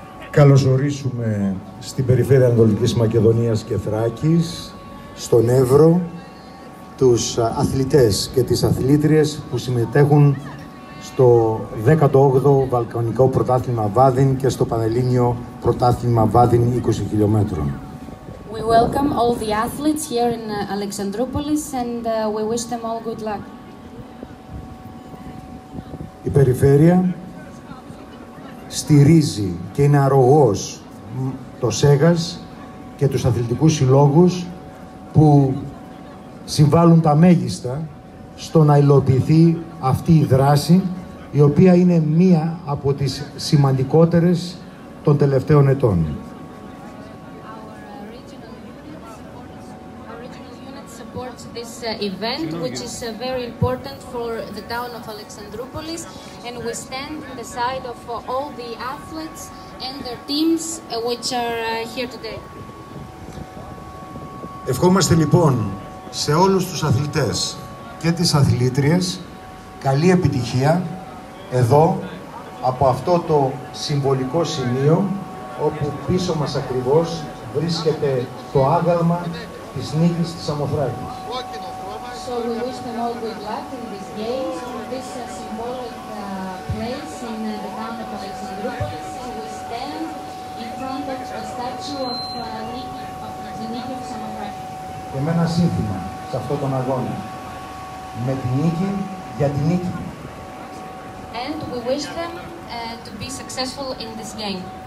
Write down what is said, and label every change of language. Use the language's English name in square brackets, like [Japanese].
[Greek] Καλωσορίσουμε στην περιφέρεια Ανατολικής Μακεδονίας και Θράκης, στον Εύρο, τους αθλητές και τις αθλήτριες που συμμετέχουν στο 18ο Βαλκανικό Πρωτάθλημα Βάδιν και στο Πανελλήνιο Πρωτάθλημα Βάδιν 20 χιλιόμετρων. [English] We welcome all the athletes here in Alexandroupolis and we wish them all good luck. [Greek] Η περιφέρεια στηρίζει και είναι αρρωγός το ΣΕΓΑΣ και τους αθλητικούς συλλόγους που συμβάλλουν τα μέγιστα στο να υλοποιηθεί αυτή η δράση, η οποία είναι μία από τις σημαντικότερες των τελευταίων ετών. [English] Our regional unit supports this event, which is very important for the town of Alexandroupolis, and we stand on the side of all the athletes and their teams which are here today. [Greek] Ευχόμαστε λοιπόν σε όλους τους αθλητές και τις αθλήτριες καλή επιτυχία εδώ από αυτό το συμβολικό σημείο όπου πίσω μας ακριβώς βρίσκεται το άγαλμα της νίκης της Αμοθράκης. [English] So we wish them all good luck in this game, in this symbolic place in the town of Alexandroupolis. We stand in front of the statue of the Nike of Samothrake. [Greek] Και με ένα σύνθημα σε αυτόν τον αγώνα. Με την νίκη για την νίκη. [English] And we wish them to be successful in this game.